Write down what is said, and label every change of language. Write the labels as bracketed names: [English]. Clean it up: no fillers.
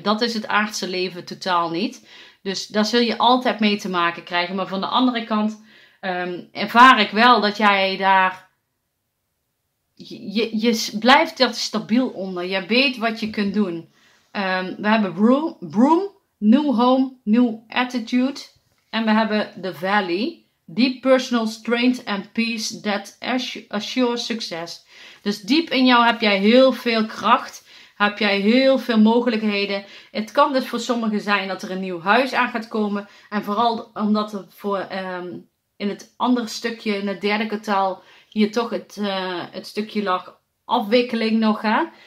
[Dutch] Dat is het aardse leven totaal niet. Dus daar zul je altijd mee te maken krijgen. Maar van de andere kant ervaar ik wel dat jij daar, Je blijft er stabiel onder. Je weet wat je kunt doen. We hebben broom. New Home, New Attitude. En we hebben The Valley. [English] Deep personal strength and peace that assures success. [Dutch] Dus diep in jou heb jij heel veel kracht. Heb jij heel veel mogelijkheden. Het kan dus voor sommigen zijn dat er een nieuw huis aan gaat komen. En vooral omdat er voor in het andere stukje, in het derde kwartaal, hier toch het stukje lag afwikkeling nog. Hè?